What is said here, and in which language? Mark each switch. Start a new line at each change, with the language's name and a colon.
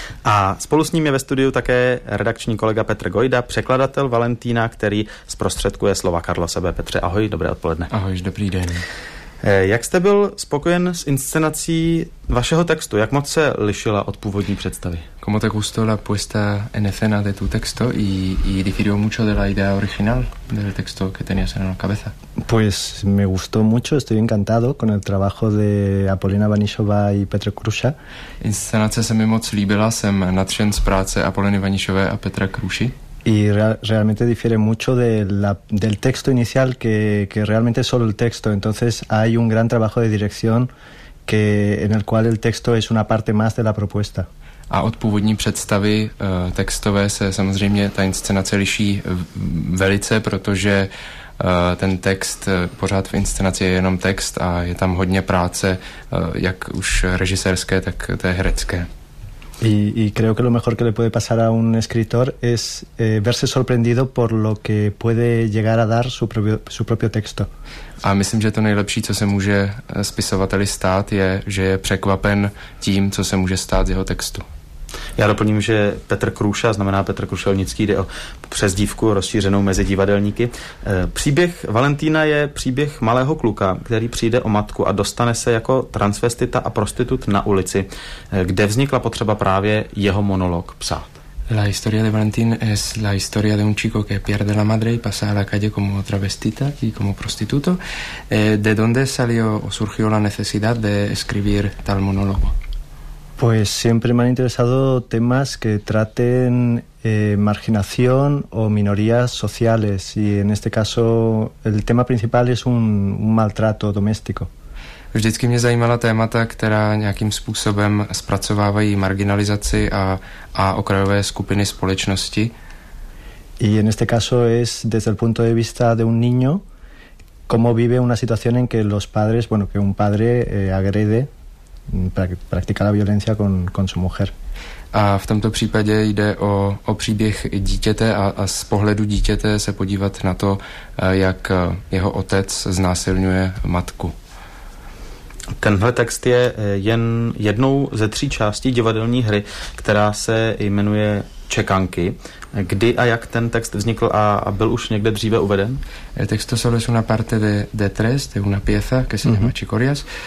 Czech: A spolu s ním je ve studiu také redakční kolega Petr Gojda, překladatel Valentína, který zprostředkuje slova Carlose B. Petře, ahoj, dobré odpoledne. Ahoj, dobrý den. Jak jste byl spokojen s inscenací vašeho textu? Jak moc se lišila od původní představy?
Spanish: Como te gustó la puesta en escena de tu texto y difirió mucho de la idea original del texto que tenías en la cabeza? Pues me gustó mucho, estoy encantado con el trabajo de Apolina Vanišová y Petra Kruša.
Czech: Inscenace se mi moc líbila, jsem nadšen z práce Apoliny Vanišové a Petra Kruši.
Spanish: Y realmente difiere mucho de la del texto inicial que realmente es solo el texto, entonces hay un gran trabajo de dirección que en el cual el texto es una parte más de la propuesta.
Czech: A od původní představy textové se samozřejmě ta inscenace liší velice, protože ten text pořád v inscenaci je jenom text a je tam hodně práce, jak už režisérské, tak té herecké.
Spanish: Y creo que lo mejor que le puede pasar a un escritor es verse sorprendido por lo que puede llegar a dar su propio texto.
Czech: A myslím, že to nejlepší, co se může spisovateli stát, je, že je překvapen tím, co se může stát z jeho textu. Já doplním, že Petr Kruša, znamená Petr Krušelnický, jde o přezdívku rozšířenou mezi divadelníky. Příběh Valentína je příběh malého kluka, který přijde o matku a dostane se jako transvestita a prostitut na ulici, kde vznikla potřeba právě jeho monolog psát.
Spanish: La historia de Valentín es la historia de un chico que pierde la madre y pasa a la calle como travestita y como prostituto. ¿De dónde salió o surgió la necesidad de escribir tal monólogo? Pues siempre me han interesado temas que traten marginación o minorías sociales y en este caso el tema principal es un maltrato doméstico.
Czech: Vždycky mě zajímala témata, která nějakým způsobem zpracovávají marginalizaci a okrajové skupiny společnosti.
Spanish: Y en este caso es desde el punto de vista de un niño cómo vive una situación en que los padres, bueno, que un padre agrede praktikala violencia con su mujer.
Czech: A v tomto případě jde o příběh dítěte a z pohledu dítěte se podívat na to, jak jeho otec znásilňuje matku. Tenhle text je jen jednou ze tří částí divadelní hry, která se jmenuje Čekanky. Kdy a jak ten text vznikl a byl už někde dříve uveden?
Spanish: El texto solo es una parte de tres, de una pieza que se llama Chicorias.